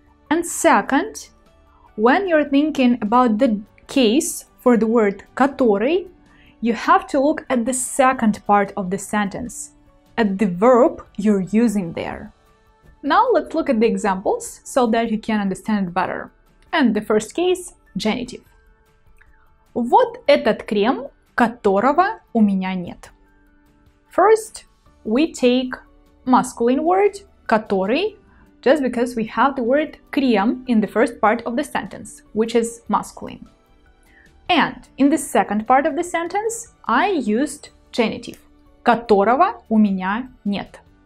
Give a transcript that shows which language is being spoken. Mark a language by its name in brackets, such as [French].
[English] And second, when you're thinking about the case for the word который, you have to look at the second part of the sentence, at the verb you're using there. Now let's look at the examples so that you can understand it better. And the first case, genitive. [Russian] Вот этот крем, которого у меня нет. [English] First, we take masculine word, который, just because we have the word крем in the first part of the sentence, which is masculine. And in the second part of the sentence, I used genitive, [Russian] которого у меня нет.